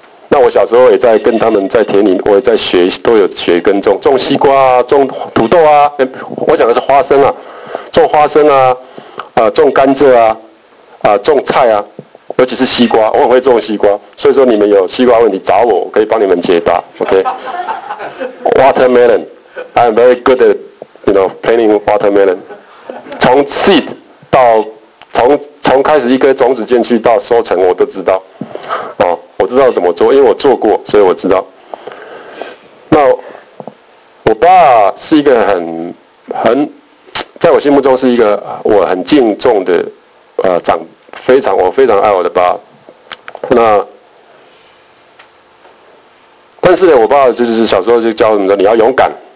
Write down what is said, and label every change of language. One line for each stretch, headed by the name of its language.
Chinese: 那我小时候也在跟他们在田里，我也在学，都有学耕种，种西瓜啊，种土豆啊，我讲的是花生啊，种花生啊，种甘蔗啊，种菜啊，尤其是西瓜，我很会种西瓜，所以说你们有西瓜问题找我，我可以帮你们解答 ，OK？
English: Watermelon， I'm very good at you know planting watermelon，
Chinese: 从 seed 到从开始一颗种子进去到收成，我都知道，哦。我知道怎么做，因为我做过，所以我知道。那我爸是一个很在我心目中是一个我很敬重的长，我非常爱我的爸。那但是呢，我爸就是小时候就教我们说你要勇敢。